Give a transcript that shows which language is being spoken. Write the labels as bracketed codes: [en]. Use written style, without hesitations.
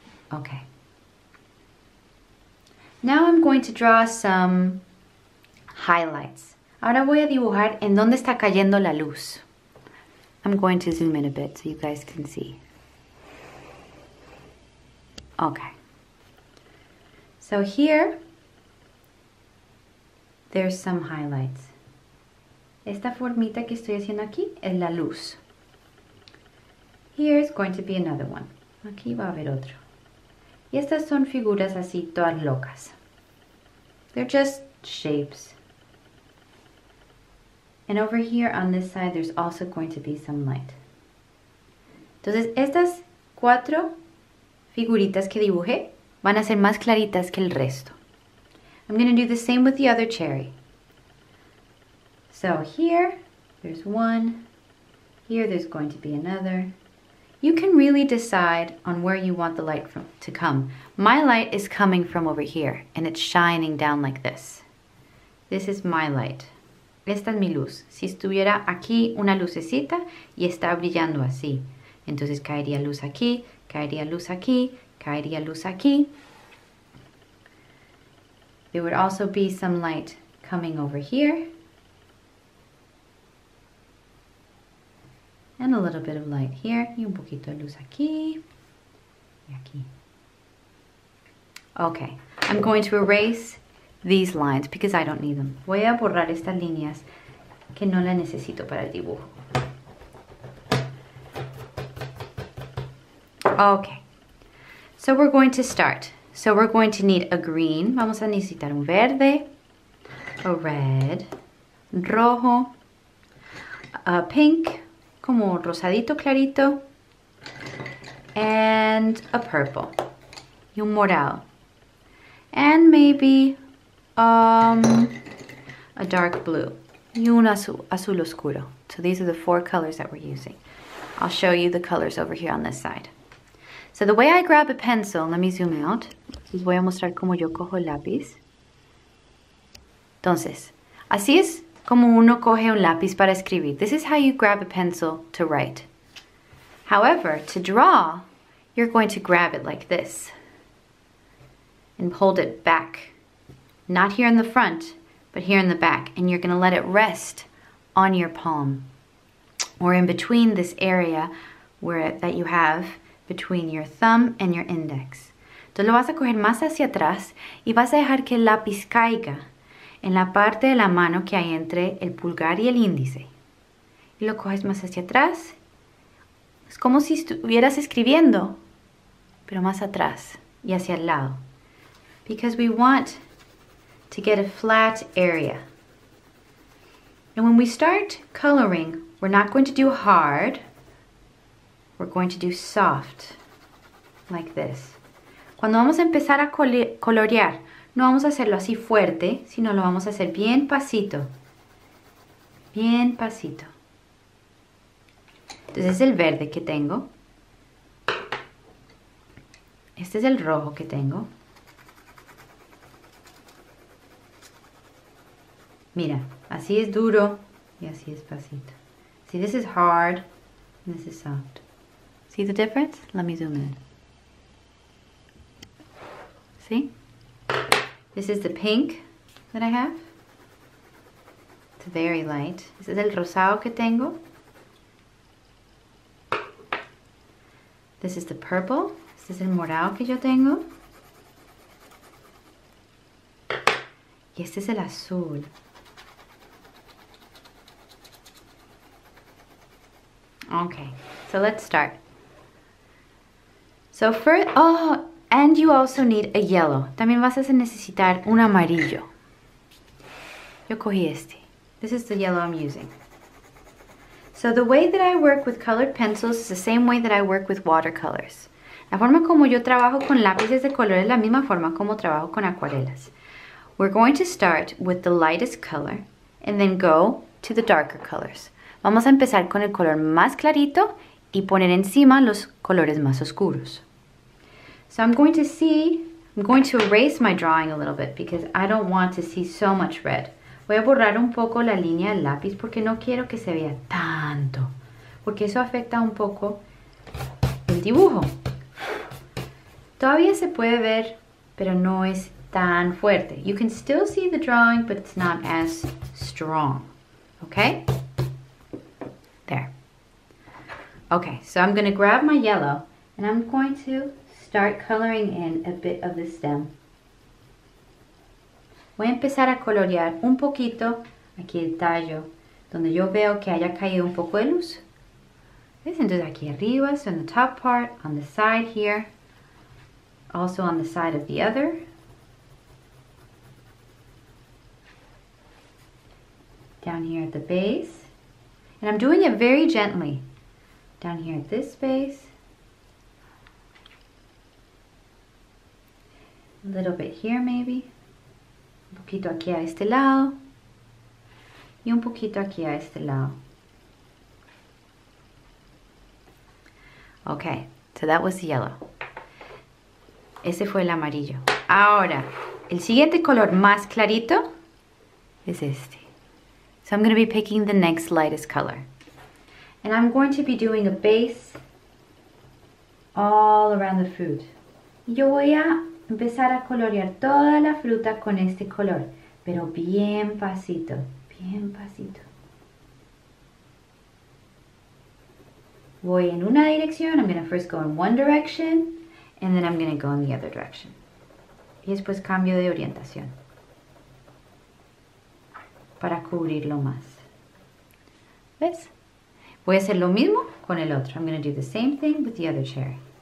[en] Okay. Now I'm going to draw some highlights. [es] Ahora voy a dibujar en dónde está cayendo la luz. [en] I'm going to zoom in a bit so you guys can see. Okay. So here, there's some highlights. [es] Esta formita que estoy haciendo aquí es la luz. [en] Here is going to be another one. [es] Aquí va a haber otro. Y estas son figuras así todas locas. [en] They're just shapes. And over here on this side, there's also going to be some light. [es] Entonces, estas cuatro figuritas que dibujé van a ser más claritas que el resto. [en] I'm going to do the same with the other cherry. So here, there's one. Here, there's going to be another. You can really decide on where you want the light to come. My light is coming from over here, and it's shining down like this. This is my light. [es] Esta es mi luz. Si estuviera aquí una lucecita y está brillando así, entonces caería luz aquí, caería luz aquí, caería luz aquí. [en] There would also be some light coming over here. And a little bit of light here. [es] Y un poquito de luz aquí. Y aquí. Okay. [en] I'm going to erase these lines because I don't need them. [es] Voy a borrar estas líneas que no la necesito para el dibujo. [en] Okay. So we're going to start. So we're going to need a green. [es] Vamos a necesitar un verde. [en] A red. [es] Rojo. [en] A pink. [es] Como rosadito clarito. [en] And a purple. [es] Y un morado. [en] And maybe a dark blue. [es] Y un azul oscuro. [en] So these are the four colors that we're using. I'll show you the colors over here on this side. So the way I grab a pencil, let me zoom out. [es] Les voy a mostrar cómo yo cojo el lápiz. Entonces, así es como uno coge un lápiz para escribir. [en] This is how you grab a pencil to write. However, to draw, you're going to grab it like this and hold it back. Not here in the front, but here in the back. And you're going to let it rest on your palm or in between this area where that you have between your thumb and your index. [es] Tú lo vas a coger más hacia atrás y vas a dejar que el lápiz caiga en la parte de la mano que hay entre el pulgar y el índice. Y lo coges más hacia atrás. Es como si estuvieras escribiendo, pero más atrás y hacia el lado. [en] Because we want to get a flat area. And when we start coloring, we're not going to do hard. We're going to do soft, like this. [es] Cuando vamos a empezar a colorear, No vamos a hacerlo así fuerte, sino lo vamos a hacer bien pasito. Bien pasito. Entonces es el verde que tengo. Este es el rojo que tengo. Mira, así es duro y así es pasito. [en] See, this is hard and this is soft. See the difference? Let me zoom in. See? This is the pink that I have. It's very light. This is [es] el rosado que tengo. [en] This is the purple. This is [es] el morado que yo tengo. Y este es el azul. [en] Okay, so let's start. So first, oh, and you also need a yellow. [es] También vas a necesitar un amarillo. Yo cogí este. [en] This is the yellow I'm using. So the way that I work with colored pencils is the same way that I work with watercolors. [es] La forma como yo trabajo con lápices de color es la misma forma como trabajo con acuarelas. [en] We're going to start with the lightest color and then go to the darker colors. [es] Vamos a empezar con el color más clarito y poner encima los colores más oscuros. [en] So I'm going to erase my drawing a little bit because I don't want to see so much red. [es] Voy a borrar un poco la línea del lápiz porque no quiero que se vea tanto. Porque eso afecta un poco el dibujo. Todavía se puede ver, pero no es tan fuerte. [en] You can still see the drawing, but it's not as strong. Okay? There. Okay, so I'm going to grab my yellow and I'm going to start coloring in a bit of the stem. [es] Voy a empezar a colorear un poquito aquí el tallo, donde yo veo que haya caído un poco de luz. ¿Ves? Entonces aquí arriba, [en] so in the top part, on the side here, also on the side of the other. Down here at the base. And I'm doing it very gently. Down here at this space. A little bit here maybe. [es] Un poquito aquí a este lado. Y un poquito aquí a este lado. [en] Okay, so that was the yellow. [es] Ese fue el amarillo. Ahora, el siguiente color más clarito es este. [en] So I'm going to be picking the next lightest color. And I'm going to be doing a base all around the fruit. [es] Yo voy a empezar a colorear toda la fruta con este color, pero bien pasito, bien pasito. Voy en una dirección, [en] I'm going to first go in one direction, and then I'm going to go in the other direction. [es] Y después cambio de orientación. Para cubrirlo más. ¿Ves? Voy a hacer lo mismo con el otro. [en] I'm going to do the same thing with the other cherry.